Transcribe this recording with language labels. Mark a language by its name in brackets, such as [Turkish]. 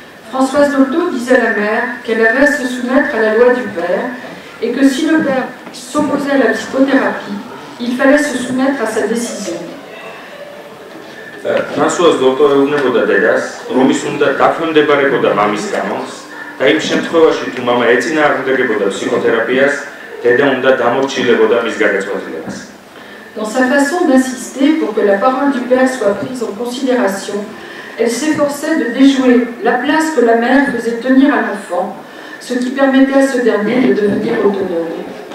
[French] Françoise Dotto disait à la mère qu'elle avait à se soumettre à la loi du père et que si le père s'opposait à la psychothérapie, il fallait se soumettre à sa décision. [Georgian] Françoise Dotto ეუბნებოდა დედას, რომ ის უნდა დაქვემდებარებოდა მამის გამოს და იმ შემთხვევაში, თუ მამა ეწინააღმდეგებოდა ფსიქოთერაპიას, დედა უნდა დამორჩილებოდა მის გადაწყვეტილებას. [French] Dans sa façon d'insister pour que la parole du père soit prise en considération, elle s'efforçait de déjouer la place que la mère faisait tenir à l'enfant, ce qui permettait à ce dernier de devenir autonome.